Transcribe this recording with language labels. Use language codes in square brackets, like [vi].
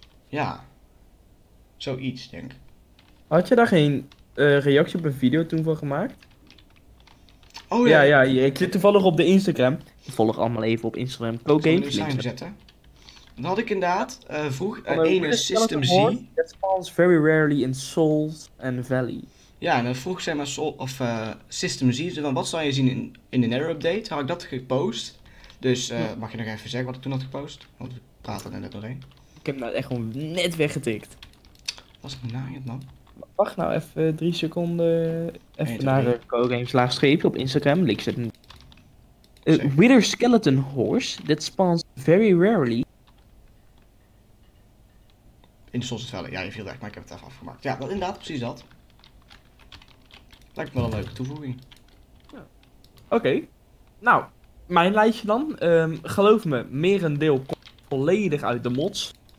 [nl] Ja. Zoiets, denk ik. Had je daar geen reactie op een video toen van gemaakt? Oh ja. Ja, ik zit toevallig op de Instagram. Ik volg allemaal even op Instagram. Ik zal hem nu zijn zetten. Dan had ik inderdaad vroeg een System Z. [en] That spawns very rarely in Souls and Valley. [nl] Ja, en dan vroeg zeg maar System Z, van wat zal je zien in de Nether update? Had ik dat gepost? Dus mag je nog even zeggen wat ik toen had gepost? Want we praten net doorheen. Ik heb nou echt gewoon net weggetikt. Was het naaiend, man? Wacht nou even 3 seconden. Even naar de CoGames-laagstreepje op Instagram. Link zit in. [en] Wither Skeleton Horse that spawns very rarely. [nl] In de Sons of Valley, ja, je viel weg, maar ik heb het even afgemaakt. Ja, dat, inderdaad, precies dat. Lijkt me wel een leuke toevoeging. Ja. Oké. Okay. Nou, mijn lijstje dan. Geloof me, merendeel komt volledig uit de mods.